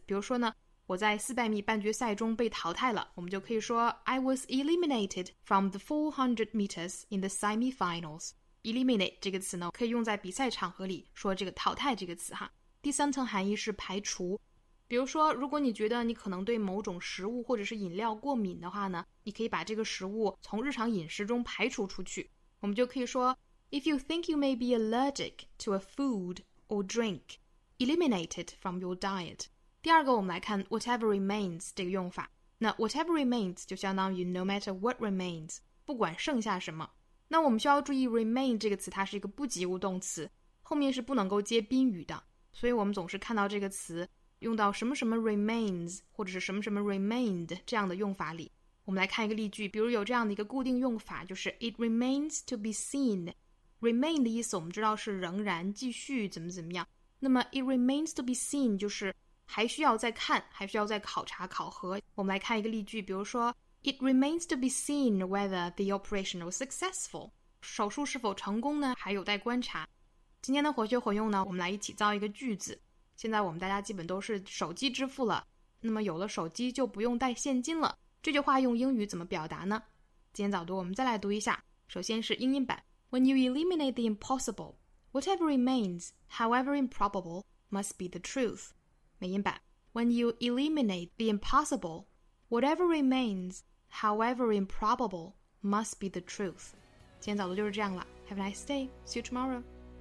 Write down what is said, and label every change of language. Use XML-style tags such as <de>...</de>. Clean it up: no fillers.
<zh>比如说呢，我在400米半决赛中被淘汰了，我们就可以说</zh> <en>I was eliminated from the 400 meters in the semifinals.</en> <zh>Eliminate 这个词呢，可以用在比赛场合里说这个淘汰这个词哈。第三层含义是排除。比如说如果你觉得你可能对某种食物或者是饮料过敏的话呢，你可以把这个食物从日常饮食中排除出去。我们就可以说</zh> <en>If you think you may be allergic to a food or drink, eliminate it from your diet.</en> <zh>第二个我们来看 whatever remains 这个用法。那 whatever remains 就相当于</zh> <en>no matter what remains,</en> <zh>不管剩下什么。那我们需要注意 remain 这个词它是一个不及物动词，后面是不能够接宾语的，所以我们总是看到这个词用到什么什么 remains 或者是什么什么 remained 这样的用法里。我们来看一个例句，比如有这样的一个固定用法，就是</zh> <en>It remains to be seen.</en> <zh>Remain 的意思我们知道是仍然、继续、怎么怎么样，那么</zh> <en>It remains to be seen</en> <zh>就是还需要再看、还需要再考察、考核。我们来看一个例句，比如说</zh> <en>It remains to be seen whether the operation was successful.</en> <zh>手术是否成功呢，还有待观察。今天的活学活用呢，我们来一起造一个句子。现在我们大家基本都是手机支付了，那么有了手机就不用带现金了，这句话用英语怎么表达呢？今天早读我们再来读一下。首先是英音版，</zh> <en>When you eliminate the impossible, whatever remains, however improbable, must be the truth. 美音版， When you eliminate the impossible, whatever remains, however improbable, must be the truth. 今天早读就是这样了。 Have a nice day. See you tomorrow.</en>